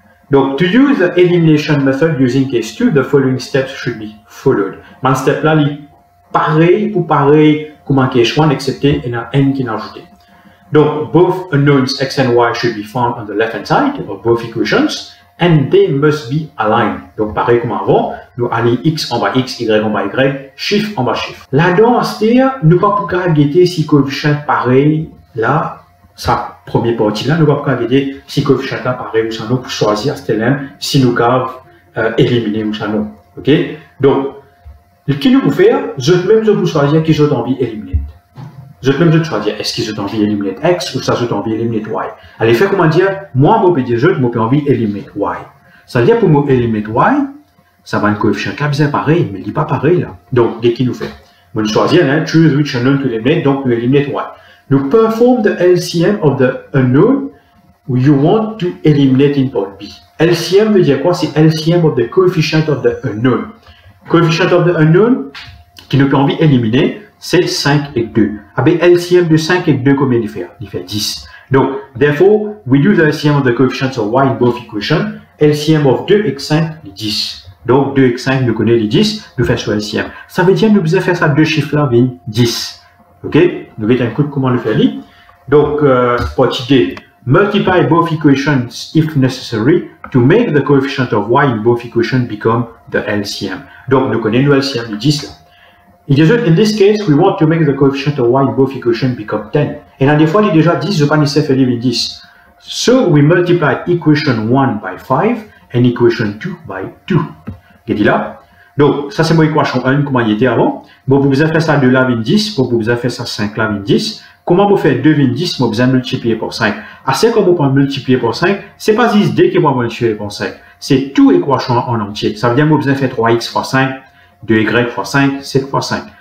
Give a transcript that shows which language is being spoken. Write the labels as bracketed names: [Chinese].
[English] Donc, to use the elimination method using case 2, the following steps should be followed. [French] Mon step là, il est pareil ou pareil comme un case 1, excepté il y a n qui est ajouté. [English] Donc, both unknowns x and y should be found on the left hand side of both equations, and they must be aligned. [French] Donc, pareil comme avant, nous allons x en bas x, y en bas y, chiffre en bas chiffre. Là-dedans, c'est-à-dire, nous ne pouvons pas guetter si coefficient pareil là. Sa première partie là, nous ne pouvons pas guider si coefficient là pareil ou ça non pour choisir ce thème si nous avons éliminer ou ça non. Ok? Donc, ce que nous pouvons faire, je même je peux choisir qui j'ai envie d'éliminer. Je même je peux choisir est-ce que j'ai envie d'éliminer X ou ça j'ai envie d'éliminer Y. Allez, fait comment dire, moi, je peux dire, je peux envie d'éliminer Y. Ça veut dire pour moi, éliminer Y, ça va un coefficient là bien pareil, mais il n'est pas pareil là. Donc, qu'est-ce qu'il nous fait? Nous choisir, hein, [English] choose which unknown to eliminate, [French] donc nous éliminer Y. [English] Nous perform the LCM of the unknown you want to eliminate in part B. LCM [French] veut dire quoi? C'est [English] LCM of the coefficient of the unknown. Coefficient of the unknown, [French] qui nous peut envie d'éliminer, c'est 5 et 2. Ah ben, LCM de 5 et 2, combien il fait? Il fait 10. [English] Donc, therefore, we do the LCM of the coefficients of y in both equations. LCM of 2 et 5, 10. [French] Donc, 2 et 5, nous connaissons les 10, nous faisons sur LCM. Ça veut dire que nous devons faire ça deux chiffres là, 10. Ok, nous voyons un coup de comment le faire. Donc, partie D. [English] Multiply both equations if necessary to make the coefficient of y in both equations become the LCM. [French] Donc, nous connaissons le LCM, le 10 là. Il dit, [English] in this case, we want to make the coefficient of y in both equations become 10. [French] Et là, des fois, il est déjà 10, je ne vais pas nous faire le 10. [English] So, we multiply equation 1 by 5 and equation 2 by 2. [French] Qu'est-ce qu'il dit là? Donc, ça c'est mon équation 1, comment il était avant. Bon, vous avez fait ça 2 là, 10. Bon, vous avez fait ça 5 là, 10. Comment vous faites 2, 10? Bon, vous avez multiplié par 5. À ce que vous pouvez multiplier par 5, c'est pas 10 D qui va multiplier par 5. C'est tout équation en entier. Ça veut dire que vous avez fait 3x fois 5, 2y fois 5, 7 fois 5.